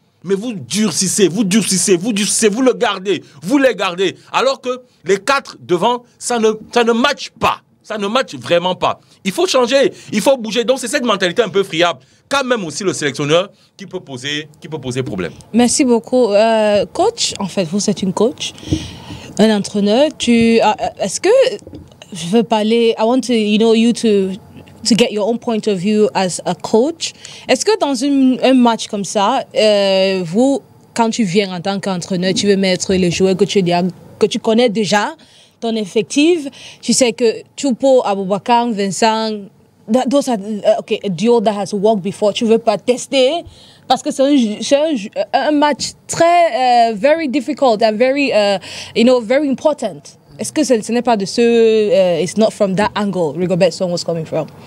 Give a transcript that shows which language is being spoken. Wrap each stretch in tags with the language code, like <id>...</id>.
<fr>Mais vous durcissez, vous le gardez, vous les gardez. Alors que les quatre devant, ça ne matche pas. ça ne matche vraiment pas. Il faut changer, il faut bouger. Donc c'est cette mentalité un peu friable, quand même aussi le sélectionneur qui peut poser problème. Merci beaucoup. Coach, en fait, vous êtes une coach, un entraîneur. Est-ce que je veux parler,</fr> <en>I want to, you know, you to get your own point of view as a coach.</en> <fr>Est-ce que dans un match comme ça, vous, quand tu viens en tant qu'entraîneur, tu veux mettre les joueurs que tu connais déjà, ton effectif, tu sais que Choupo, Aboubakar, Vincent,</fr> <en>a duo that has worked before,</en> <fr>tu ne veux pas tester, parce que c'est un match très,</fr> <en>very difficult and very, you know, very important.</en> <fr>Est-ce que ce n'est pas de ce...</fr> <en>it's not from that angle Rigobert Song was coming from.</en>